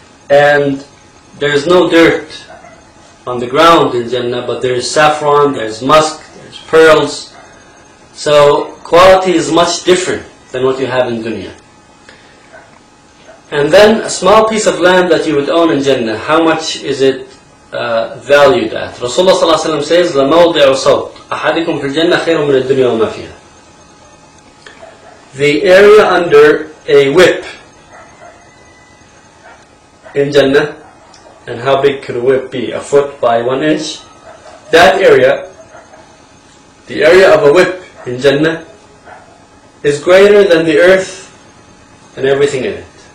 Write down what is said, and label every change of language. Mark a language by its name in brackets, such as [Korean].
[English] And there is no dirt on the ground in Jannah, but there is saffron, there is musk, there is pearls. So quality is much different than what you have in dunya. And then a small piece of land that you would own in Jannah, how much is it valued at? Rasulullah sallallahu alaihi wasallam says, [Arabic] لَمَوْضِعُ صَوْتٍ أَحَدِكُمْ فِي الْجَنَّةِ خَيْرٌ مِنَ الدُّنْيَا وَمَا فِيهَا. [English] The area under a whip in Jannah, and how big could a whip be? A foot by 1 inch? That area, the area of a whip in Jannah, is greater than the earth and everything in it.